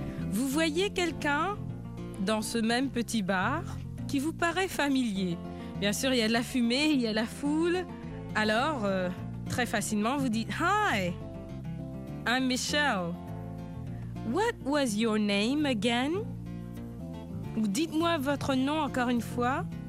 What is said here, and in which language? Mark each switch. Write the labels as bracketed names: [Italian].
[French] Vous voyez quelqu'un dans ce même petit bar qui vous paraît familier. Bien sûr, il y a de la fumée, il y a de la foule. Alors, très facilement, vous dites « Hi ». [English] I'm Michelle. What was your name again? [French] Ou dites-moi votre nom encore une fois.